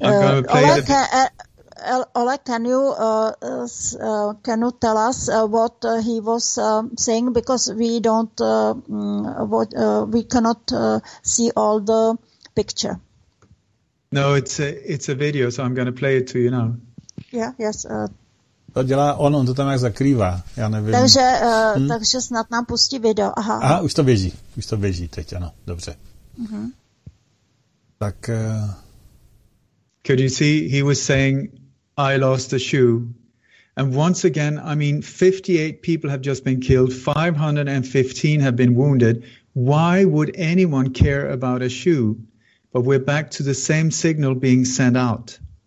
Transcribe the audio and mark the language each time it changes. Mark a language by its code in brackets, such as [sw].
[en] Ole, can you tell us what he was saying? Because we don't, we cannot see all the picture. No, it's a video, so I'm going to play it to you now. Yeah, yes. [cs] To dělá on to tam jak zakrývá, já nevím. Takže, takže snad nám pustí video, aha. Aha, už to běží teď, ano, dobře. Mm-hmm. Tak. [en] Could you see, he was saying, I lost a shoe. And once again, I mean, 58 people have just been killed, 515 have been wounded. Why would anyone care about a shoe? But we're back to the same signal being sent out.